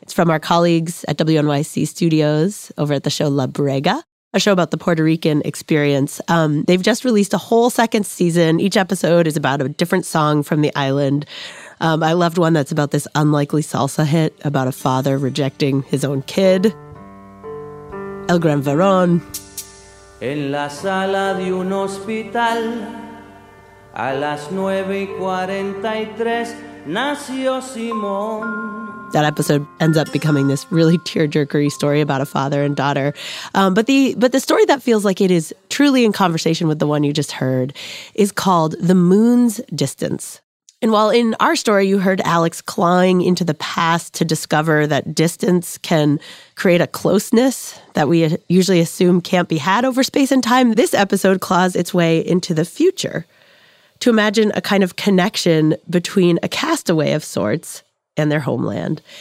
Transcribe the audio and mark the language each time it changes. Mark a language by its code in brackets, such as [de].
[en] It's from our colleagues at WNYC Studios over at the show La Brega, a show about the Puerto Rican experience. They've just released a whole second season. Each episode is about a different song from the island. I loved one that's about this unlikely salsa hit about a father rejecting his own kid. [es] El Gran Varón. En la sala de un hospital, a las 9:43, nació Simón. [en] That episode ends up becoming this really tear-jerkery story about a father and daughter. But the story that feels like it is truly in conversation with the one you just heard is called The Moon's Distance. And while in our story you heard Alex clawing into the past to discover that distance can create a closeness that we usually assume can't be had over space and time, this episode claws its way into the future to imagine a kind of connection between a castaway of sorts and their homeland.